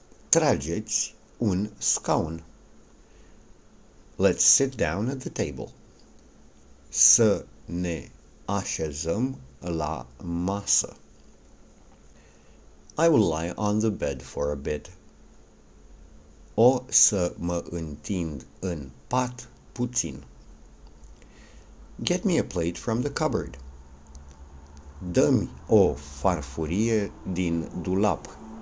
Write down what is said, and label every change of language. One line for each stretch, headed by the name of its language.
Romanian: Trageți un scaun.
English: Let's sit down at the table.
Romanian: Să ne așezăm la masă.
English: I will lie on the bed for a bit.
Romanian: O să mă întind în pat puțin.
English: Get me a plate from the cupboard.
Romanian: Dă-mi o farfurie din dulap.